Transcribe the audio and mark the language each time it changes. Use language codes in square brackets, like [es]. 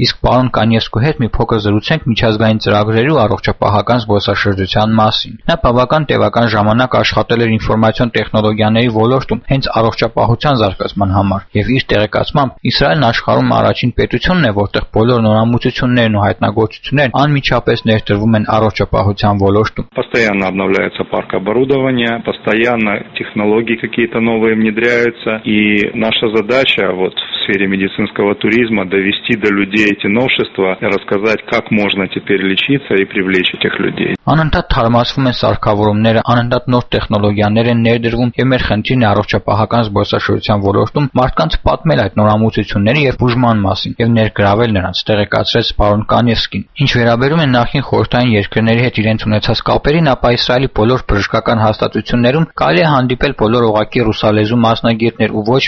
[hy] իսկ պարոն Կանյասկու հետ մի փոքր զրուցենք միջազգային ծրագրերի ու առողջապահական զբոսաշրջության մասին։ Նա բավական տևական ժամանակ աշխատել էր ինֆորմացիոն տեխնոլոգիաների ոլորտում հենց առողջապահության զարգացման համար, և իր տեղեկացմամբ Իսրայելն աշխարհում առաջին պետությունն է, որտեղ բոլոր նորամուծություններն ու հայտնագործություններն անմիջապես ներդրվում են առողջապահության ոլորտում։ [ru] Постоянно обновляется парк оборудования, постоянно технологии какие-то новые внедряются, и наша задача вот в сфере медицинского туризма довести до людей эти новшества, рассказать, как можно теперь лечиться и привлечь этих людей. [hy] Անընդհատ թարմացվում են սարքավորումները, անընդհատ նոր տեխնոլոգիաներ են ներդրվում, և մեր խնդիրն է առողջապահական զբոսաշրջության ոլորտում մարդկանց պատմել այդ նորամուծությունները և բուժման մասին, և ներգրավել նրանց, տեղեկացրեց պարոն Կանևսկին։ Ինչ վերաբերում է նախին խորհրդային երկրների հետ իրենց ունեցած կապերին, ապա Իսրայելի բոլոր բժշկական հաստատություններում կարելի է հանդիպել բոլոր ուղղակի ռուսալեզու մասնագետներ ու ոչ